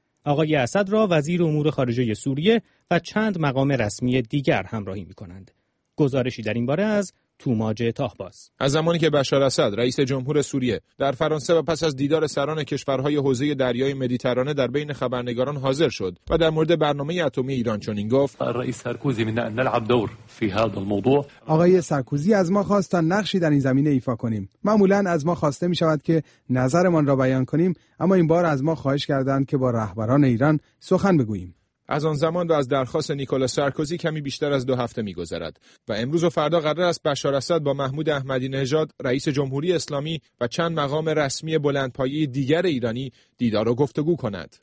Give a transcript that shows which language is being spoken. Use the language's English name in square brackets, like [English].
[Persian] آقای اسد را وزیر امور خارجه سوریه و چند مقام رسمی دیگر همراهی می‌کنند. گزارشی در این باره از توماج تاهباز. از زمانی که بشار اسد رئیس جمهور سوریه در فرانسه و پس از دیدار سران کشورهای حوزه دریای مدیترانه در بین خبرنگاران حاضر شد و در مورد برنامه اتمی ایران چنین گفت: [Arabic] رئیس سرکوزی من نلعب دور في هذا الموضوع. [Persian] آقای سرکوزی از ما خواست تا نقشی در این زمینه ایفا کنیم. معمولا از ما خواسته می شود که نظرمان را بیان کنیم، اما این بار از ما خواهش کردند که با رهبران ایران سخن بگوییم. از آن زمان و از درخواست نیکولا سارکوزی کمی بیشتر از دو هفته می‌گذرد و امروز و فردا قرار است بشار اسد با محمود احمدی نژاد رئیس جمهوری اسلامی و چند مقام رسمی بلندپایه دیگر ایرانی دیدار و گفتگو کند.